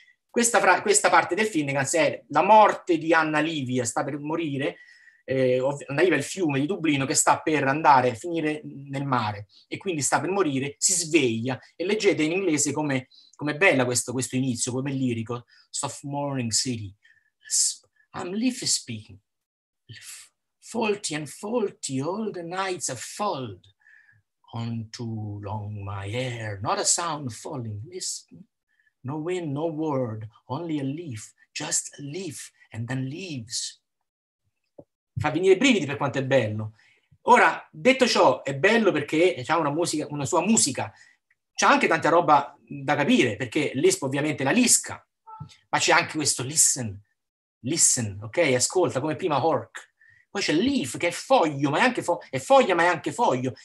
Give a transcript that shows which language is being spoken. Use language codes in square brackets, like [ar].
[it] Questa parte del Finnegans è la morte di Anna Livia, sta per morire, arriva il fiume di Dublino che sta per andare a finire nel mare e quindi sta per morire, si sveglia e leggete in inglese come bella questo inizio, come lirico. [en] Soft morning city, I'm leaf speaking, faulty and faulty all the nights are fold on too long my hair, not a sound falling, listen, no wind, no word, only a leaf, just a leaf and then leaves. [it] Fa venire i brividi per quanto è bello. Ora, detto ciò, è bello perché ha una sua musica, c'è anche tanta roba da capire, perché l'esp ovviamente la lisca, ma c'è anche questo listen, ok? Ascolta, come prima Hork. Poi c'è leaf, che è foglio, ma è foglio.